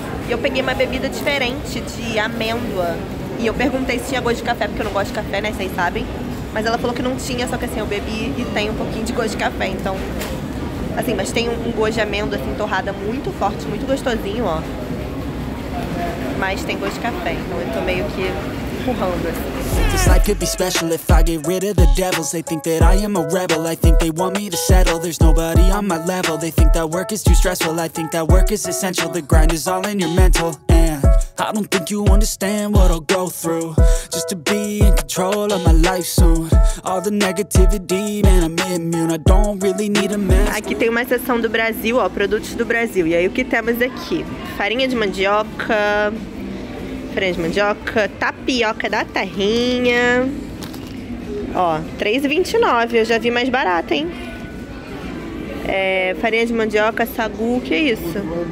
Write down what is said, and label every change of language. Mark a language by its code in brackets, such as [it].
[pt] E eu peguei uma bebida diferente, de amêndoa. E eu perguntei se tinha gosto de café, porque eu não gosto de café, né, vocês sabem. Mas ela falou que não tinha, só que assim, eu bebi e tem um pouquinho de gosto de café, então... Assim, mas tem um gosto de amêndoa, assim, torrada muito forte, muito gostosinho, ó. Mas tem gosto de café, então eu tô meio que empurrando, assim. [en] This life could be special if I get rid of the devils. They think that I am a rebel. I think they want me to settle. There's nobody on my level. They think that work is too stressful. I think that work is essential. The grind is all in your mental. And I don't think you understand what I'll go through just to be in control of my life soon. All the negativity, man, I'm immune. I don't really need a mask. [pt] Aqui tem uma seção do Brasil, ó, produtos do Brasil. E aí o que temos aqui? Farinha de mandioca. Farinha de mandioca, tapioca da terrinha. Ó, R$3,29. Eu já vi mais barato, hein? É, farinha de mandioca, sagu, que é isso?